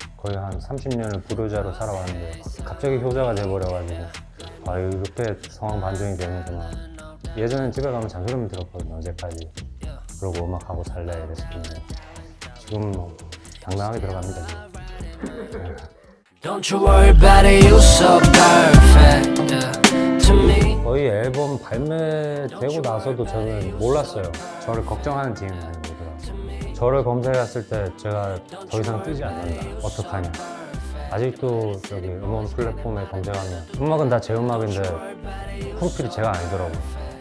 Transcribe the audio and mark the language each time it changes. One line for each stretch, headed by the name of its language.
Korean: 거의 한 30년을 불효자로 살아왔는데 갑자기 효자가 돼버려가지고 아 이렇게 상황 반전이 되는구나. 예전엔 집에 가면 잔소리만 들었거든요. 언제까지 그러고 음악하고 살래 이랬었는데 지금 뭐 당당하게 들어갑니다.
English: Don't you worry about it, you're so perfect to me.
Korean: 거의 앨범 발매되고 나서도 저는 몰랐어요. 저를 걱정하는 DM이 아닌 거죠. 저를 검색했을 때 제가 더 이상 뜨지 않는다. 어떡하냐. 아직도 여기 음원 플랫폼에 검색하면 음악은 다 제 음악인데 프로필이 제가 아니더라고요.